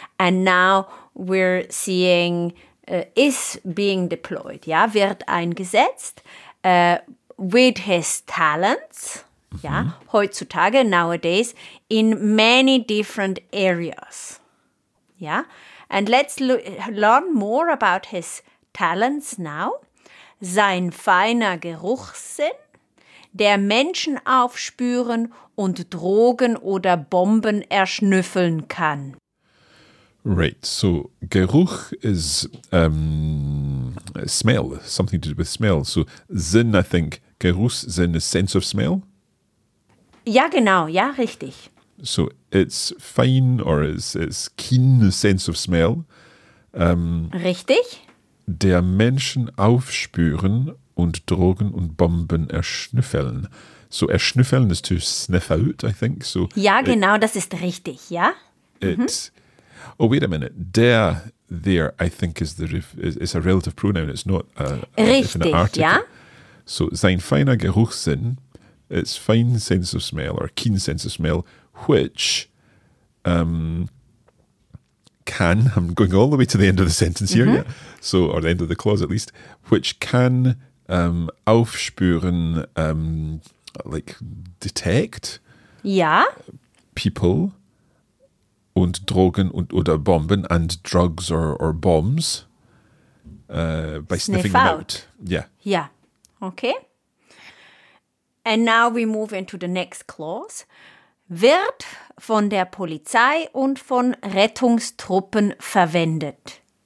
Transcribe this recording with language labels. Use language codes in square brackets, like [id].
[en] And now we're seeing is being deployed, [de] ja, wird eingesetzt, [en] with his talents, mm-hmm. ja, heutzutage, nowadays, in many different areas, ja. And let's learn more about his talents now. [de] Sein feiner Geruchssinn, der Menschen aufspüren und Drogen oder Bomben erschnüffeln kann. [en] Right, so Geruch is smell, something to do with smell. So Sinn, I think, Geruchssinn is sense of smell? [de] Ja, genau, ja, richtig. [en] So it's fine or it's keen sense of smell. [de] Richtig. Der Menschen aufspüren und Drogen und Bomben erschnüffeln. [en] So erschnüffeln is to sniff out, I think. So [de] ja, genau, das ist richtig, ja. [en] It's... Mm-hmm. Oh, wait a minute. There, I think, is a relative pronoun. It's not an article. Yeah. So, [de] sein feiner Geruchssinn, [en] it's fine sense of smell or keen sense of smell, which can, I'm going all the way to the end of the sentence here, mm-hmm. So, or the end of the clause at least, which can aufspüren, like detect, yeah, people [de] und Drogen und oder Bomben [en] and drugs or bombs by sniffing them out. Yeah. Yeah. Okay. And now we move into the next clause. [de] Wird von der Polizei und von Rettungstruppen verwendet.